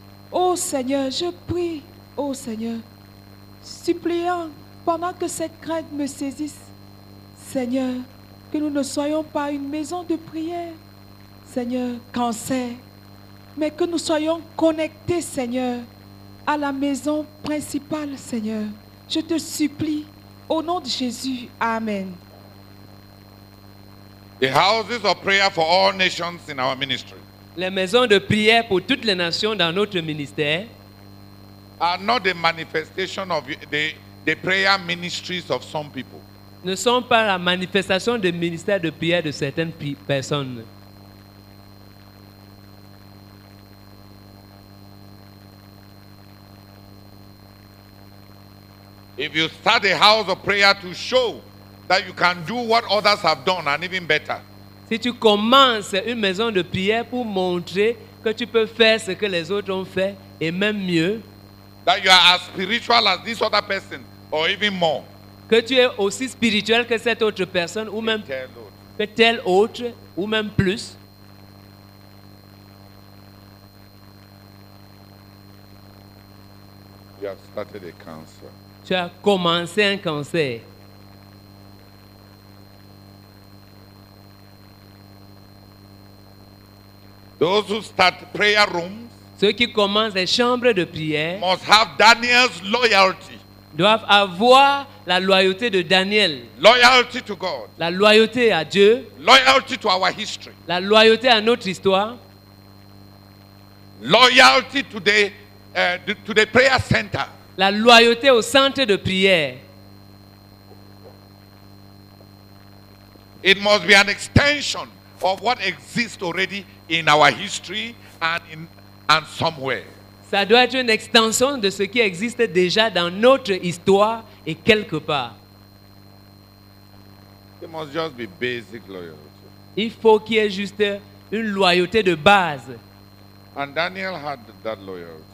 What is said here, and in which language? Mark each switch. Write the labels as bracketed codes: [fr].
[fr] Ô Seigneur, je prie, ô Seigneur, suppliant pendant que cette crainte me saisisse, Seigneur, que nous ne soyons pas une maison de prière, Seigneur, cancer, mais que nous soyons connectés, Seigneur, à la maison principale, Seigneur. Je te supplie, au nom de Jésus, amen. [en] The houses of prayer for all nations in our ministry. [fr] Les maisons de prière pour toutes les nations dans notre ministère [en] are not the manifestation of the prayer ministries of some people. [fr] Ne sont pas la manifestation des ministères de prière de certaines personnes. [en] If you start a house of prayer to show that you can do what others have done and even better. [fr] Si tu commences une maison de prière pour montrer que tu peux faire ce que les autres ont fait et même mieux. [en] That you are as spiritual as this other person or even more. [fr] Que tu es aussi spirituel que cette autre personne ou même que telle autre ou même plus. [en] You have started a cancer. [fr] Tu as commencé un cancer. [en] Those who start prayer rooms, [fr] ceux qui commencent les chambres de prière, [en] must have Daniel's loyalty. [fr] Doivent avoir la loyauté de Daniel. [en] Loyalty to God. [fr] La loyauté à Dieu. [en] Loyalty to our history. [fr] La loyauté à notre histoire. [en] Loyalty to the prayer center. [fr] La loyauté au centre de prière. [en] It must be an extension of what exists already in our history and somewhere. [fr] Ça doit être une extension de ce qui existe déjà dans notre histoire et quelque part. [en] It must just be basic loyalty. [fr] Il faut qu'il y ait juste une loyauté de base. [en] And Daniel had that loyalty.